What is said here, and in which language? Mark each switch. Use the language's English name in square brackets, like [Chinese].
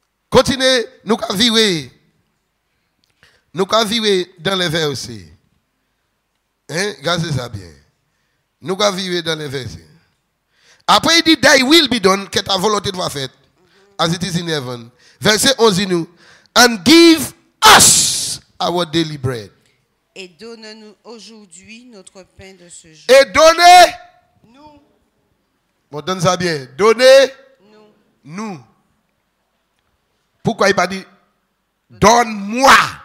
[French] Continuez, nous avons viré. Nous avons viré dans les versets. Hein, gardez ça bien. Nous avons viré dans les versets. Après, il dit, [English] thy will be done, [French] que ta volonté doit faite, mm-hmm. [English] as it is in heaven. [French] Verset 11, nous, [English] and give us our daily bread. [French] Et donne-nous aujourd'hui notre pain de ce jour. Et donnez-nous. Bon, donne ça bien. Donnez-nous. Nous. Pourquoi il n'a pas dit, donne-moi.